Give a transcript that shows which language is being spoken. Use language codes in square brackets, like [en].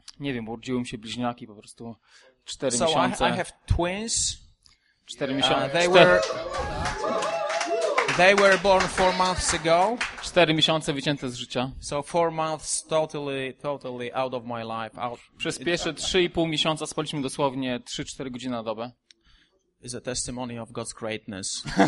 [pl] Nie wiem, bo urodziły mi się bliźniaki po prostu 4 miesiące. [en] I have twins. [pl] 4 miesiące. [en] They were born 4 months ago. [pl] 4 miesiące wycięte z życia. [en] So 4 months totally out of my life. Out. [pl] Przez pierwsze 3,5 miesiąca spaliśmy dosłownie 3-4 godziny na dobę. [en] Is a testimony of God's greatness.